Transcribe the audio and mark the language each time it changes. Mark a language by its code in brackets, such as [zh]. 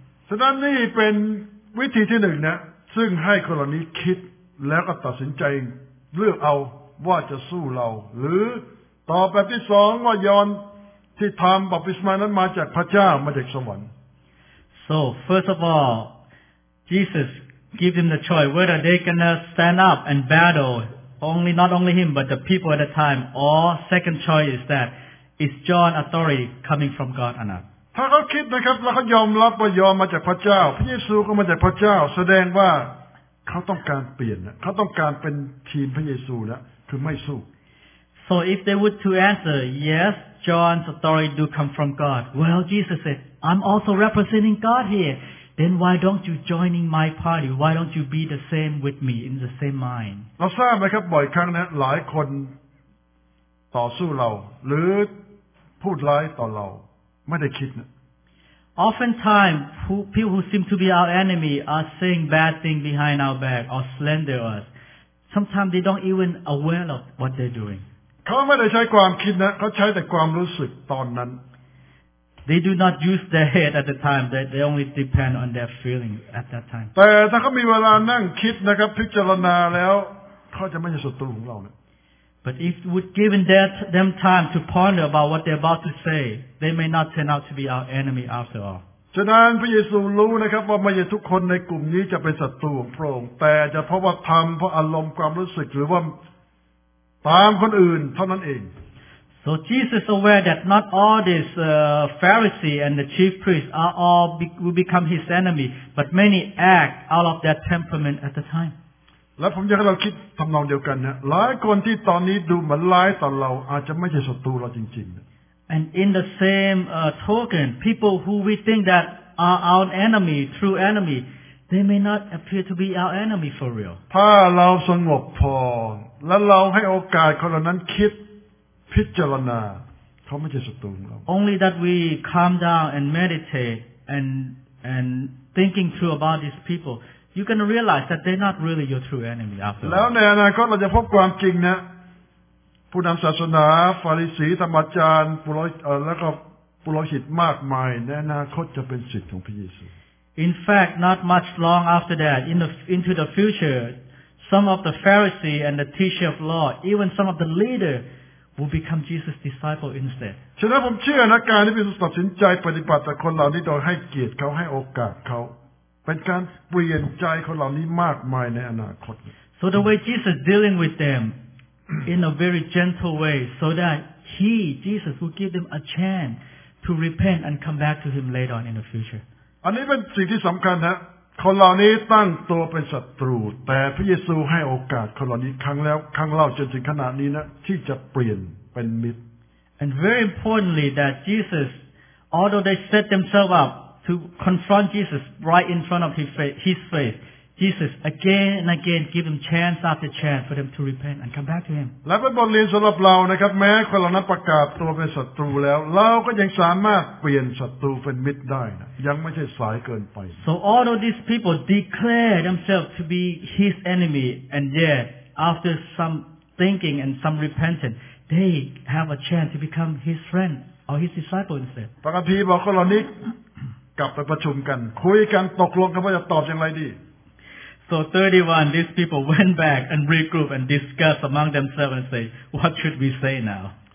[th] ฉะนั้นนี่เป็นวิธีที่หนึ่งนะซึ่งให้คนเหล่านี้คิดแล้วก็ตัดสินใจเลือกเอาว่าจะสู้เราหรือต่อแบบที่สองว่ายอห์นที่ทำบัพติศมานั้นมาจากพระเจ้ามาจากสวรรค์ [en] So first of all Jesus gave them the choice whether they gonna stand up and battle only not only him but the people at the time or second choice is that is John authority coming from God or not [th] ถ้าเขาคิดนะครับแล้วเขายอมรับว่ายอมมาจากพระเจ้าพระเยซูก็มาจากพระเจ้าแสดงว่าเขาต้องการเปลี่ยนเขาต้องการเป็นทีมพระเยซูแล้วคือไม่สู้ [en] So if they would to answer yes John's authority do come from God well Jesus said I'm also representing God here then why don't you joining my party why don't you be the same with me in the same mind [th] เราทราบไหมครับบ่อยครั้งนะหลายคนต่อสู้เราหรือพูดร้ายต่อเราไม่ได้คิดนะ [en] Oftentimes people who seem to be our enemy are saying bad things behind our back or slander us. Sometimes they don't even aware of what they're doing. [th] เขาไม่ได้ใช้ความคิดนะเขาใช้แต่ความรู้สึกตอนนั้น [en] They do not use their head at the time. They only depend on their feeling at that time. [th] แต่ถ้าเขามีเวลานั่งคิดนะครับพิจารณาแล้วเขาจะไม่ใช่ศัตรูของเราเนี่ย [en] But if we'd given them time to ponder about what they're about to say, they may not turn out to be our enemy after all. [th] ฉะนั้นพระเยซูรู้นะครับว่าไม่ใช่ทุกคนในกลุ่มนี้จะเป็นศัตรูของพระองค์แต่จะเพราะว่าธรรมเพราะอารมณ์ความรู้สึกหรือว่าตามคนอื่นเท่านั้นเอง [en] So Jesus aware that not all these Pharisee and the chief priests are all will become his enemy, but many act out of that temperament at the time. [th] และผมอยากให้เราคิดทำนองเดียวกันนะหลายคนที่ตอนนี้ดูเหมือนร้ายต่อเราอาจจะไม่ใช่ศัตรูเราจริง [en] ๆ And in the same token people who we think that are our enemy true enemy they may not appear to be our enemy for real [th] ถ้าเราสงบพอและเราให้โอกาสคนเหล่านั้นคิดพิจารณาเขาไม่ใช่ศัตรูเรา [en] Only that we calm down and meditate and thinking through about these peopleYou're going to realize that they're not really your true enemy after [th] แล้วในอนาคตเราจะพบความจริงนะผู้นำศาสนาฟาริสีธรรมาจารย์ปุโรหิตแล้วก็ปุโรหิตมากมายในอนาคตจะเป็นศิษย์ของพระเยซู [en] In fact not much long after that into the future some of the Pharisee and the teacher of law even some of the leader will become Jesus disciple instead [th] ฉะนั้นผมเชื่อนะการที่พระเยซูตัดสินใจปฏิบัติต่อคนเหล่านี้โดยให้เกียรติเขาให้โอกาสเขาเป็นการเปลี่ยนใจคนเหล่านี้มากมายในอนาคต [en] So the way Jesus dealing with them in a very gentle way so that he Jesus will give them a chance to repent and come back to him later on in the future [th] อันนี้เป็นสิ่งที่สำคัญนะคนเหล่านี้ตั้งตัวเป็นศัตรูแต่พระเยซูให้โอกาสคนเหล่านี้ครั้งแล้วครั้งเล่าจนถึงขนาดนี้นะที่จะเปลี่ยนเป็นมิตร [en] And very importantly that Jesus although they set themselves upTo confront Jesus right in front of his face, Jesus again and again give them chance after chance for them to repent and come back to him. [th] และเป็นบทเรียนสำหรับเรานะครับแม้คนเหล่านั้นประกาศตัวเป็นศัตรูแล้วเราก็ยังสามารถเปลี่ยนศัตรูเป็นมิตรได้นะยังไม่ใช่สายเกินไป [en] So although these people declare themselves to be his enemy, and yet after some thinking and some repentance, they have a chance to become his friend or his disciple instead. [th] พระคัมภีร์บอกคนเหล่านี้กลับไปประชุมกันคุยกันตกลงกันว่าจะตอบอย่างไรดี [en] So 31 these people went back and regroup and discuss among themselves and say what should we say now